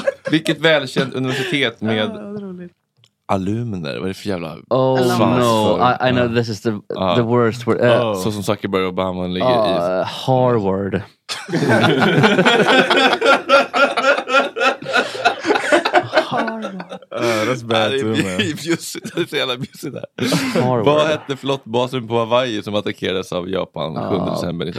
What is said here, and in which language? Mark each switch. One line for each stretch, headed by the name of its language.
Swedish: Vilket välkänt universitet med alumner. Vad är det för jävla?
English: Oh no, I know this is the worst word.
Swedish: Så som Zuckerberg och Obama ligger i. Harvard.
English: That's bad too, man.
Swedish: Det är så jävla mysigt där. Vad hette flottbasen på Hawaii som attackerades av Japan 7 december?